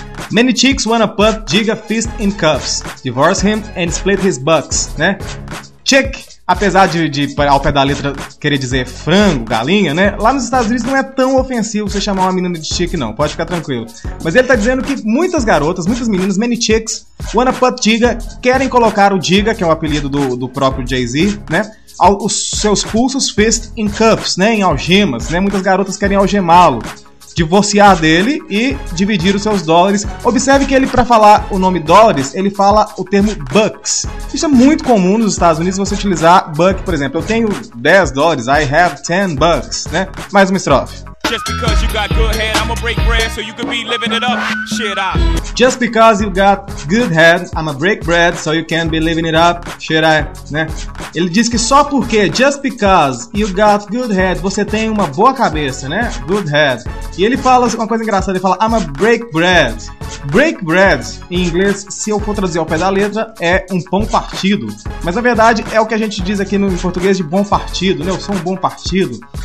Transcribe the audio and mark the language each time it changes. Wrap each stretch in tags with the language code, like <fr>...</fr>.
<en>Many chicks wanna put Jigga fist in cuffs, divorce him and split his bucks, né?</en> <pt>Chick, apesar de ao pé da letra querer dizer frango, galinha, né? Lá nos Estados Unidos não é tão ofensivo você chamar uma menina de chick, não. Pode ficar tranquilo. Mas ele tá dizendo que muitas garotas, muitas meninas,</pt> <en>many chicks, wanna put Jigga,</en> <pt>querem colocar o Jigga, que é o apelido do próprio Jay-Z, né? Os seus pulsos</pt> <en>fist in cuffs,</en> <pt>né? Em algemas, né? Muitas garotas querem algemá-lo. divorciar dele e dividir os seus dólares. Observe que ele, para falar o nome dólares, ele fala o termo bucks. Isso é muito comum nos Estados Unidos, você utilizar buck, por exemplo. Eu tenho 10 dólares,</pt> <en>I have 10 bucks,</en> <pt>né? Mais uma estrofe.</pt> <en>Just because you got good head, I'ma break bread so you can be living it up. Shit, I. Né?</en> <pt>Ele diz que só porque,</pt> <en>just because you got good head,</en> <pt>você tem uma boa cabeça, né? Good head. E ele fala uma coisa engraçada, ele fala,</pt> <en>I'ma break bread.</en> <pt>Break bread, em inglês, se eu for traduzir ao pé da letra, é um pão partido. Mas na verdade é o que a gente diz aqui em português de bom partido, né? Eu sou um bom partido.</pt>